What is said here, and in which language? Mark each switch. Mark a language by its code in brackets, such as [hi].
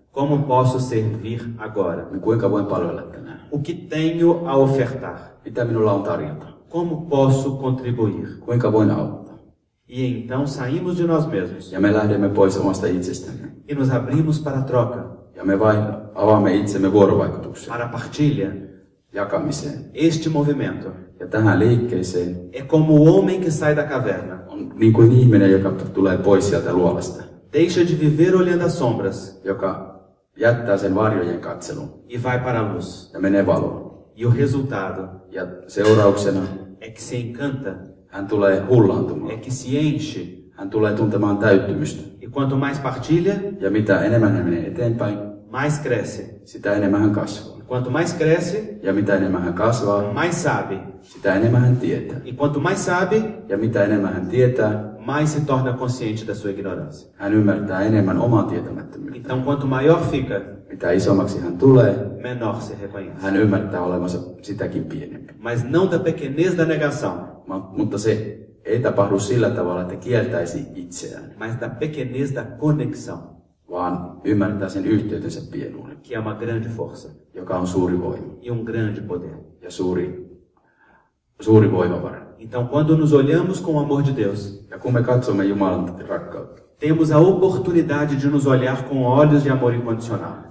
[pt] Como posso servir agora? [fi] Kuinka voin palvella tänään? [pt] O que tenho a ofertar? [fi] Mitä minulla on tarjota? [pt] Como posso contribuir? [fi] Kuinka voin auttaa? [pt] E então saímos de nós mesmos. [fi] Ja me lähdemme pois omasta itsestämme. [pt] E nos abrimos para a troca. [fi] Ja me avaamme itsemme vuorovaikutukseen. [pt] Para a partilha. [fi] jakamiseen. [pt] Este movimento. [fi] Ja tähän liikkeeseen. [pt] É como o homem que sai da caverna. [fi] On niin kuin ihminen, joka tulee pois sieltä luolasta. [pt] Deixa de viver olhando as sombras. [fi] Joka jättää sen varjojen katselun. [pt] E vai para a luz. [fi] Ja menee valoon. [pt] E o resultado. [fi] Ja seurauksena. [pt] É que se encanta. [fi] Hän tulee hullaantumaan. [pt] É que se enche. [fi] Hän tulee tuntemaan täyttymystä. [pt] E quanto mais partilha. [fi] Ja mitä enemmän hän menee eteenpäin. [pt] Mais cresce. [fi] Sitä enemmän hän kasvaa. [pt] Quanto mais cresce, [fi] ja mitä enemmän hän kasvaa, [pt] mais sabe. [fi] Sitä enemmän hän tietää. [pt] E quanto mais sabe, [fi] ja mitä enemmän hän tietää, [pt] mais se torna consciente da sua ignorância. [fi] Hän ymmärtää enemmän omaa tietämättömyyttä. [pt] Então quanto maior fica, [fi] mitä isommaksi hän tulee, [pt] menor se reconhece. [fi] Hän ymmärtää olevansa sitäkin pienempi. [pt] Mas não da pequenez da negação. [fi] Mutta se ei tapahdu sillä tavalla, että kieltäisi itseään. [pt] Mas da pequenez da conexão. [fi] Vaan ymmärtää sen yhteytensä pienuuden. [pt] Que é uma grande força. [fi] Joka on suuri voima. [pt] E um grande poder. [fi] Ja suuri voimavara. [pt] Então quando nos olhamos com o amor de Deus, [fi] ja kun me katsomme Jumalan rakkautta, [pt] temos a oportunidade de nos olhar com olhos de amor incondicional.